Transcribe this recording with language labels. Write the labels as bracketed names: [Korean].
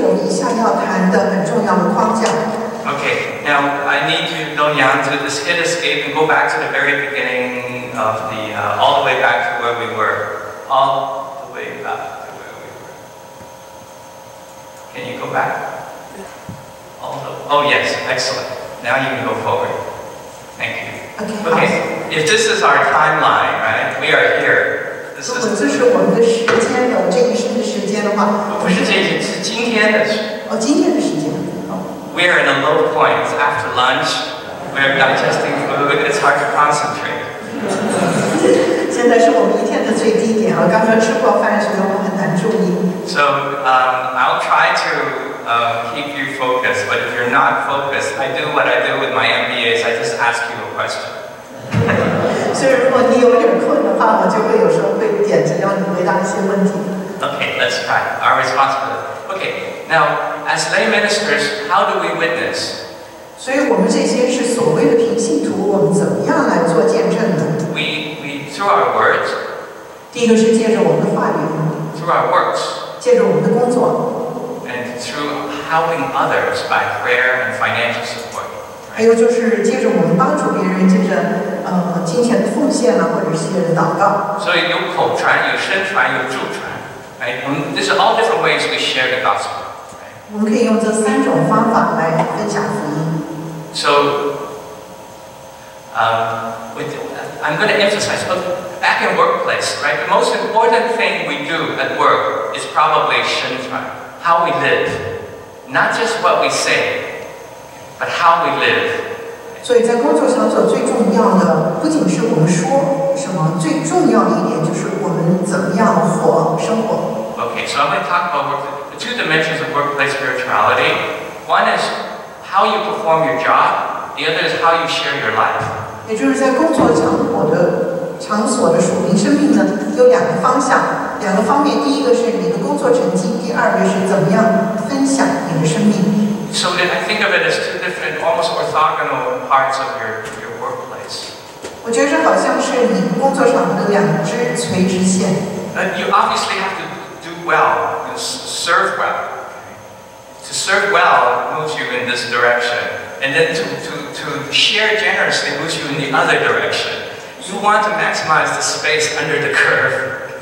[Chinese] 下要谈的很重要的框架。 [English] Okay, now I need you, Don Yang, to just hit escape and go back to the very beginning of the, all the way back to where we were. All the way back to where we were. Can you go back? All the, oh yes, excellent. Now you can go forward. Thank you. Okay, if this is our timeline, right, we are here. This is, [Chinese] 这是我们的时间的，这个是时间的话。不是这个，是今天的。哦，今天的时间。 [English] We are in a low point after lunch. We are digesting food. It's hard to concentrate. [Chinese] 现在是我们一天的最低点啊！刚刚吃过饭，所以我很难注意。 [English] So, I'll try to keep you focused. But if you're not focused, I do what I do with my MBAs. I just ask you a question. [Chinese] 所以如果你有点困的话，我就会有时候会点着要你回答一些问题。 [English] Okay, let's try. Our responsibility. Okay, now. As lay ministers, how do we witness? [Chinese] 所以我们这些是所谓的平信徒，我们怎么样来做见证呢？ [English] We through our words. [Chinese] 第一个是借着我们的话语。 [English] Through our works. [Chinese] 借着我们的工作。 [English] And through helping others by prayer and financial support. [Chinese] 还有就是借着我们帮助别人，借着金钱的奉献啊，或者是祷告。所以有口传，有身传，有柱传。 [English] Right? This is all different ways we share the gospel. [Chinese] 我们可以用这三种方法来分享福音。 [English] So, I'm going to emphasize, but back in workplace, right? The most important thing we do at work is probably [Chinese] 身传 [English] how we live, not just what we say, but how we live. [Chinese] 所以在工作场所最重要的不仅是我们说什么，最重要的一点就是我们怎么样活生活。 [English] Okay, so I'm going to talk about workplace. Two dimensions of workplace spirituality. One is how you perform your job. The other is how you share your life. [Chinese] 也就是在工作场所的属灵生命呢，有两个方向，两个方面。第一个是你的工作成绩，第二个是怎么样分享你的生命。 [English] So I think of it as two different, almost orthogonal parts of your workplace. [Chinese] 我觉得这好像是你工作场的两支垂直线。 [English] But you obviously have to do well. Serve well. To serve well moves you in this direction, and then to share generously moves you in the other direction. You want to maximize the space under the curve.